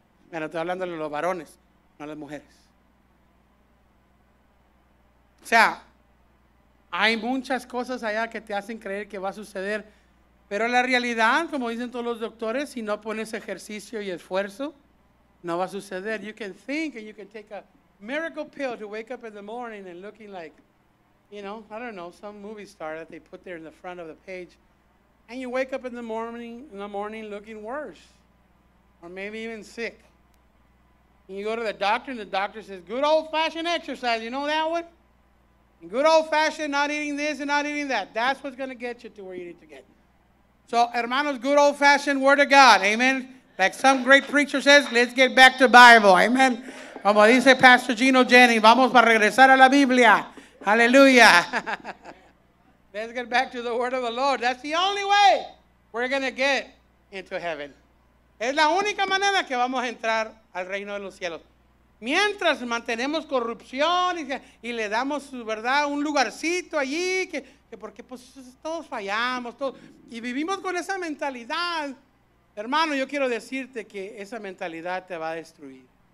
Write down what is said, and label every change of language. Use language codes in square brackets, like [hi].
[es] Bueno, estoy hablando de los varones, no las mujeres. O sea, hay muchas cosas allá que te hacen creer que va a suceder. Pero la realidad, como dicen todos los doctores, si no pones ejercicio y esfuerzo, no va a suceder. [en] You can think and you can take a miracle pill to wake up in the morning and looking like, you know, I don't know, some movie star that they put there in the front of the page. And you wake up in the morning looking worse. Or maybe even sick. And you go to the doctor and the doctor says, good old-fashioned exercise, you know that one? Good old-fashioned not eating this and not eating that. That's what's going to get you to where you need to get. So, hermanos, good old-fashioned word of God. Amen. Like some great preacher says, let's get back to Bible. Amen. [es] Como dice Pastor Gino Jennings, vamos a regresar a la Biblia. Hallelujah. [en] Let's get back to the word of the Lord. That's the only way we're going to get into heaven. [es] Es la única manera que vamos a entrar al reino de los cielos. Mientras mantenemos corrupción y le damos, ¿verdad?, un lugarcito allí que porque pues todos fallamos, todos, y vivimos con esa mentalidad. Hermano, yo quiero decirte que esa mentalidad te va a destruir.